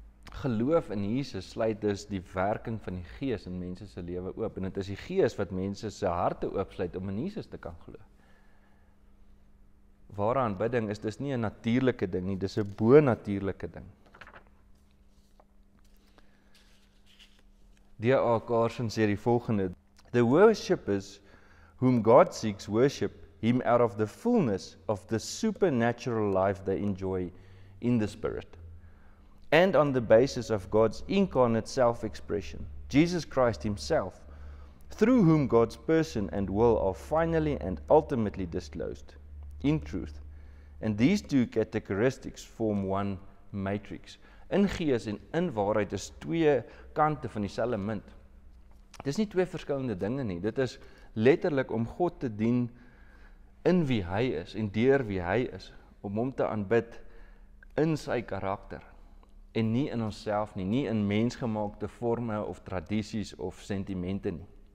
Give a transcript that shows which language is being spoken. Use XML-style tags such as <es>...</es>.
<af>Geloof in Jesus sluit dus die werking van die Gees in mense se lewe oop, en het is die Gees wat mense se harte oopsluit om in Jesus te kan geloof. Ware aanbidding is dus nie 'n natuurlike ding nie, dis 'n bo-natuurlike ding. D.A.</af> <en>Carson</en> <af>sê die volgende,</af> <en>the worshippers whom God seeks worship him out of the fullness of the supernatural life they enjoy in the Spirit and on the basis of God's incarnate self-expression, Jesus Christ himself, through whom God's person and will are finally and ultimately disclosed in truth. And these two characteristics form one matrix.</en> <af>In gees en in waarheid is twee kante van dieselfde munt. Dit is nie twee verskillende dinge nie. Dit is letterlik om God te dien in wie hy is en deur wie hy is. Om hom te aanbid in sy karakter. En nie in onsself nie. Nie in mensgemaakte forme of tradities of sentimente nie.</af>